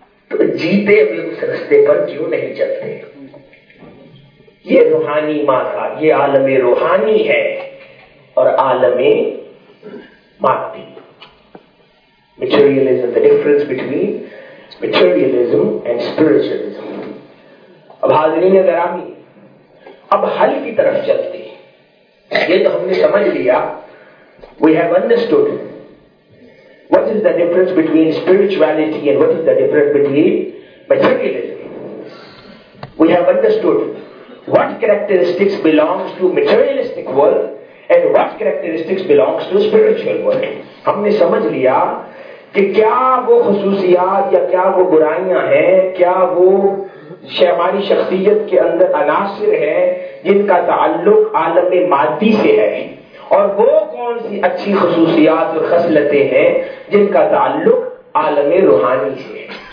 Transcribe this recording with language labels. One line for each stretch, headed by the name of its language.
Urdu: جیتے بھی اس رستے پر کیوں نہیں چلتے؟ یہ روحانی ماتا, یہ عالم روحانی ہے اور عالم مادی.
English: Materialism, the difference between materialism and spiritualism.
Urdu: اب حاضرین گرامی, اب حل کی طرف چلتے ہیں. یہ تو ہم نے سمجھ لیا,
English: we have understood what is the difference between spirituality and what is the difference between materialism. We have understood what characteristics belongs to materialistic world and what characteristics belongs to spiritual world.
Urdu: ہم نے سمجھ لیا کہ کیا وہ خصوصیات یا کیا وہ برائیاں ہیں, کیا وہ ہماری شخصیت کے اندر عناصر ہیں جن کا تعلق عالم مادی سے ہے, اور وہ کون سی اچھی خصوصیات اور خصلتیں ہیں جن کا تعلق عالم روحانی سے ہے.